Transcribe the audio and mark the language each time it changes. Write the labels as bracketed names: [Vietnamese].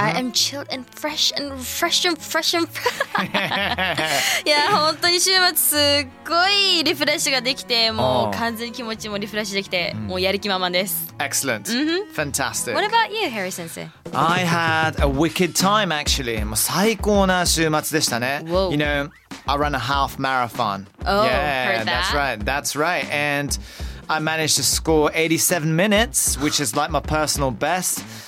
[English] I am chilled and fresh and fresh and fresh and fresh. [Japanese] いや、本当に週末すっごいリフレッシュができて、もう完全に気持ちもリフレッシュできて、もうやる気満々です。 [English] Excellent. Mm-hmm. Fantastic. What about you, Harry Sensei? I had a wicked time, actually. [Japanese] もう最高な週末でしたね。 [English] Whoa. You know,I ran a half marathon. Oh, yeah, heard that. That's right. That's right. And I managed to score 87 minutes, which is like my personal best.